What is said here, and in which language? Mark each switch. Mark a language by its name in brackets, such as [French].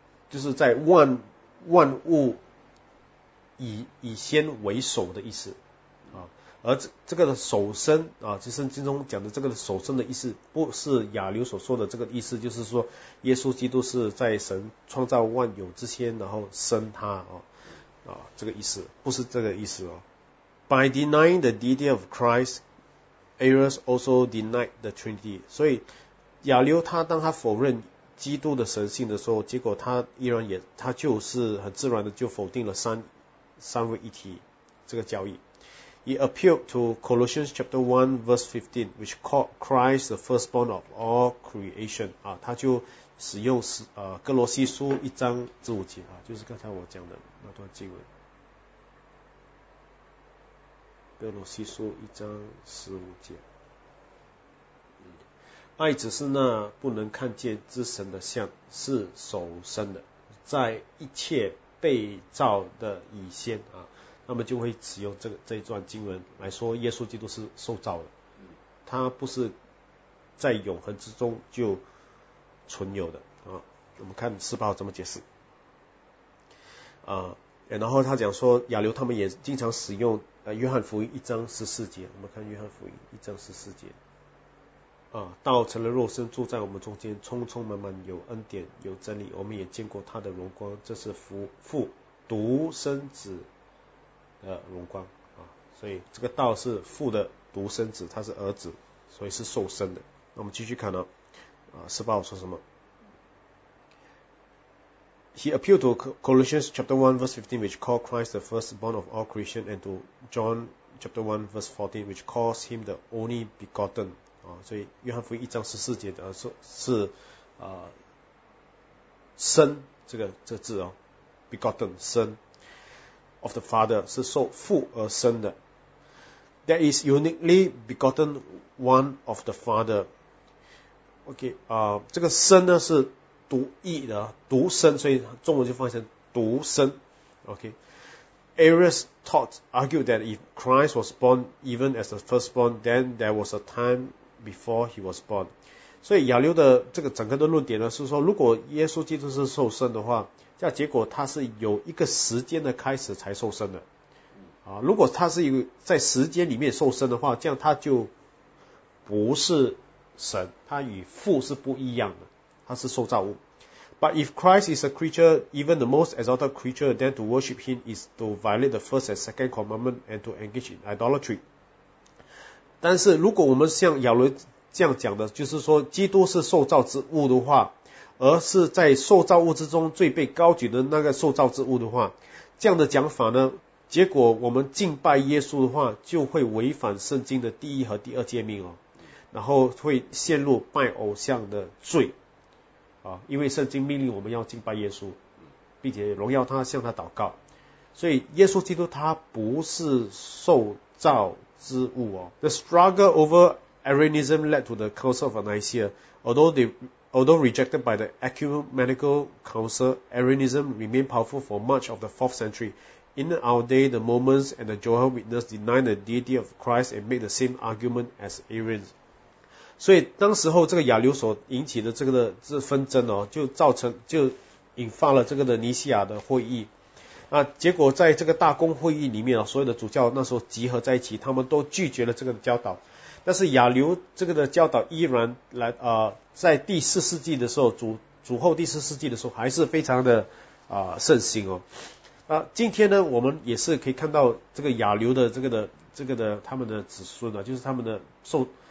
[Chinese] 就是在万物以先为首的意思啊，而这个的首生啊，就是圣经中讲的这个首生的意思，不是亚流所说的这个意思，就是说耶稣基督是在神创造万有之先，然后生他啊，这个意思不是这个意思哦。 [English] By denying the deity of Christ, Arius also denied the Trinity. [Chinese] 所以亚流他当他否认基督的神性的时候，结果他就是很自然的就否定了三位一体这个教义。 [English] He appealed to Colossians chapter 1 verse 15, which called Christ the firstborn of all creation. [Chinese] 啊，他就使用哥罗西书一章十五节啊，就是刚才我讲的那段经文。哥罗西书一章十五节。爱只是那不能看见之神的像，是首生的，在一切被造的以先啊，那么就会使用这一段经文来说，耶稣基督是受造的，他不是在永恒之中就存有的啊。我们看四报怎么解释啊，然后他讲说亚流他们也经常使用约翰福音一章十四节，我们看约翰福音一章十四节。啊，道成了肉身，住在我们中间，充充满满有恩典，有真理，我们也见过他的荣光，这是父独生子的荣光啊。所以这个道是父的独生子，他是儿子，所以是受生的。那我们继续看了啊，十八我说什么 [English] ？He appealed to Colossians chapter 1 verse 15, which called Christ the firstborn of all creation, and to John chapter 1 verse 14, which calls him the only begotten. [Chinese] 啊，所以约翰福音一章十四节的是生这个字哦 ，begotten 生 [English] of the Father [Chinese] 是受父而生的 ， [English] that is uniquely begotten one of the Father。 [Chinese] OK 这个生呢是独一的独生，所以中文就翻译成独生。OK， [English] Arius taught, argued that if Christ was born even as the firstborn, then there was a time before he was born. [Chinese] 所以亚流的这个整个的论点呢，是说如果耶稣基督是受生的话，那结果他是有一个时间的开始才受生的。啊，如果他是一个在时间里面受生的话，这样他就不是神，他与父是不一样的，他是受造物。 [English] But if Christ is a creature, even the most exalted creature, then to worship him is to violate the first and second commandment and to engage in idolatry. [Chinese] 但是如果我们像亚伦这样讲的，就是说基督是受造之物的话，而是在受造物之中最被高举的那个受造之物的话，这样的讲法呢，结果我们敬拜耶稣的话，就会违反圣经的第一和第二诫命哦，然后会陷入拜偶像的罪。啊，因为圣经命令我们要敬拜耶稣，并且荣耀他，向他祷告。所以耶稣基督他不是受造之物哦。 [English] The struggle over Arianism led to the Council of Nicaea. Although rejected by the Ecumenical Council, Arianism remained powerful for much of the 4th century. In our day, the Mormons and the Jehovah's Witness deny the deity of Christ and make the same argument as Arians. [Chinese] 所以当时候这个亚流所引起的这个的这纷争哦，就造成就引发了这个的尼西亚的会议，啊，结果在这个大公会议里面啊，所有的主教那时候集合在一起，他们都拒绝了这个教导，但是亚流这个的教导依然来在第四世纪的时候主后第四世纪的时候还是非常的盛行哦，啊，今天呢我们也是可以看到这个亚流的这个的他们的子孙啊，就是他们的受。